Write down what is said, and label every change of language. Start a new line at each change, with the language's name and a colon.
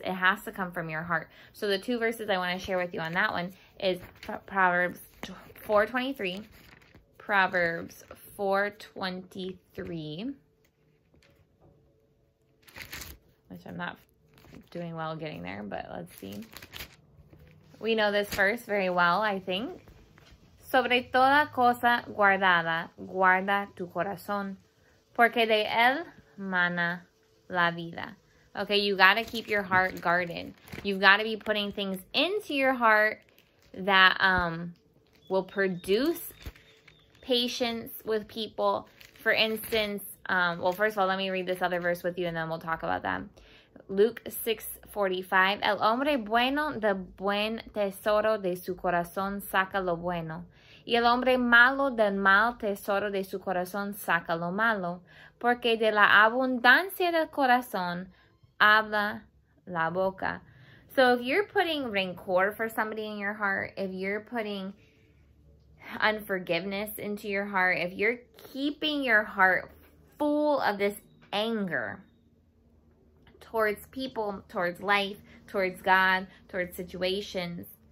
English: It has to come from your heart. So the two verses I want to share with you on that one is Proverbs 4:23, Proverbs 4:23, which I'm not doing well getting there, but let's see. We know this verse very well, I think.
Spanish: Sobre toda cosa guardada, guarda tu corazón, porque de él mana la vida.
English: Okay, you got to keep your heart guarded. You've got to be putting things into your heart that will produce patience with people. For instance, first of all, let me read this other verse with you and then we'll talk about that. Luke 6:45.
Spanish: El hombre bueno de buen tesoro de su corazón saca lo bueno. Y el hombre malo del mal tesoro de su corazón saca lo malo. Porque de la abundancia del corazón habla la boca.
English: So if you're putting rancor for somebody in your heart, if you're putting unforgiveness into your heart, if you're keeping your heart full of this anger towards people, towards life, towards God, towards situations,